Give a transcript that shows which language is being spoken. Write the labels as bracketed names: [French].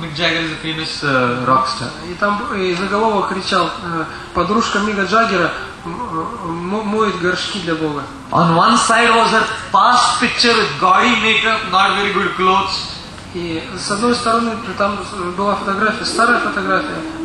[English] Mick Jagger is a famous rock star. [Russian] И там заголовок кричал: подружка Мика Джаггера моет горшки для Бога. [English] On one side was her past picture with gaudy makeup, not very good clothes. [Russian] И с одной стороны там была фотография, старая фотография.